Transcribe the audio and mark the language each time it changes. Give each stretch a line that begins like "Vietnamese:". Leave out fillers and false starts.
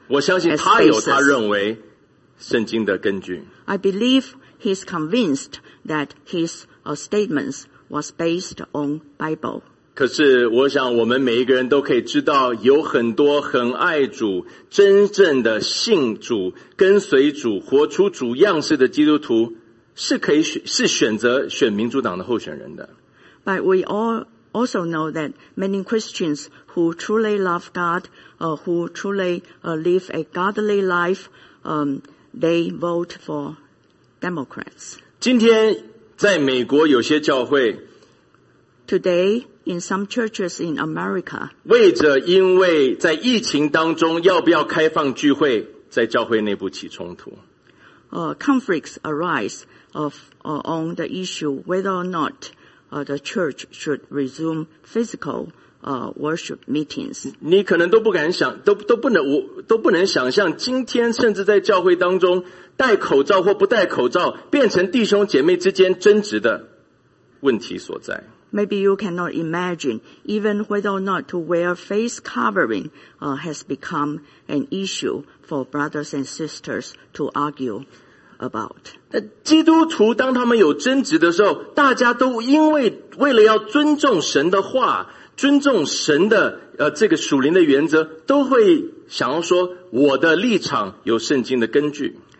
Chinese: 我相信他有他认为圣经的根据。
English: I believe he's convinced that his statements was based on Bible.
Chinese: 可是我想我们每一个人都可以知道有很多很爱主真正的信主跟随主活出主样式的基督徒是可以是选择选民主党的候选人的。
English: But we all also know that many Christians who truly love God, who truly live a godly life, they vote for Democrats.
Chinese: 今天在美国有些教会
English: Today,In some churches in America,
Chinese: 为着因为在疫情当中要不要开放聚会，在教会内部起冲突。
English: Conflicts arise of on the issue whether or not the church should resume physical worship meetings.
Chinese: 你可能都不敢想，都不能想象，今天甚至在教会当中，戴口罩或不戴口罩，变成弟兄姐妹之间争执的问题所在。
English: Maybe you cannot imagine even whether or not to wear face covering has become an issue for brothers and sisters to argue about.
Chinese: 基督徒当他们有争执的时候，大家都因为为了要尊重神的话，尊重神的这个属灵的原则，都会想要说我的立场有圣经的根据。